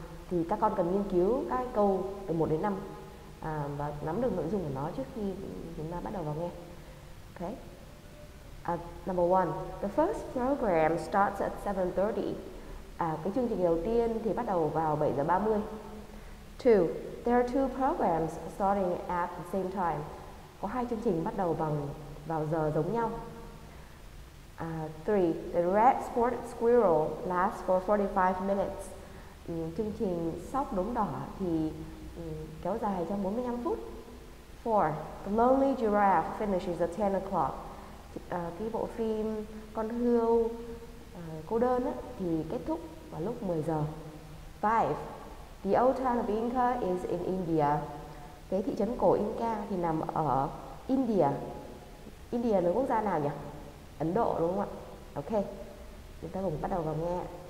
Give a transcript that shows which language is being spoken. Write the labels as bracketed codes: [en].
[vi] Thì các con cần nghiên cứu các câu từ 1 đến 5 và nắm được nội dung của nó trước khi chúng ta bắt đầu vào nghe. Okay. [en] Number one, the first program starts at 7:30. [vi] Cái chương trình đầu tiên thì bắt đầu vào 7:30. [en] Two, there are two programs starting at the same time. [vi] Có hai chương trình bắt đầu vào giờ giống nhau. [en] Three, the red spotted squirrel lasts for 45 minutes. [vi] Chương trình sóc đốm đỏ thì kéo dài trong 45 phút. [en] 4. The Lonely Giraffe finishes at 10 o'clock. [vi] cái bộ phim Con Hươu Cô Đơn á, thì kết thúc vào lúc 10 giờ. [en] 5. The old town of Inca is in India. [vi] Cái thị trấn cổ Inca thì nằm ở India. India là quốc gia nào nhỉ? Ấn Độ đúng không ạ? Ok, chúng ta cùng bắt đầu vào nghe.